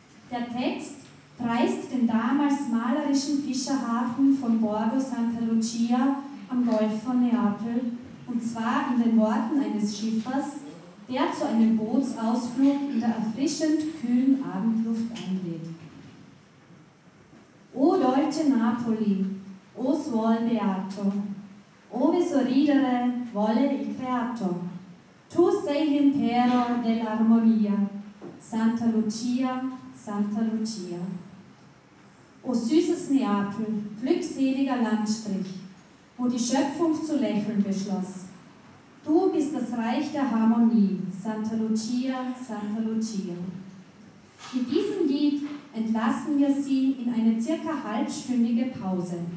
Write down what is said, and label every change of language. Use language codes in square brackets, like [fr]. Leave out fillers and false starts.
[de] Der Text preist den damals malerischen Fischerhafen von Borgo Santa Lucia am Golf von Neapel, und zwar in den Worten eines Schiffers, der zu einem Bootsausflug in der erfrischend kühlen Abendluft einlädt. [it] O dolce Napoli, o suol beato, ove sorridere vuole il creato, tu sei l'impero dell'armonia, Santa Lucia, Santa Lucia. [de] O süßes Neapel, glückseliger Landstrich, wo die Schöpfung zu lächeln beschloss. Du bist das Reich der Harmonie, Santa Lucia, Santa Lucia. Mit diesem Lied entlassen wir Sie in eine circa halbstündige Pause.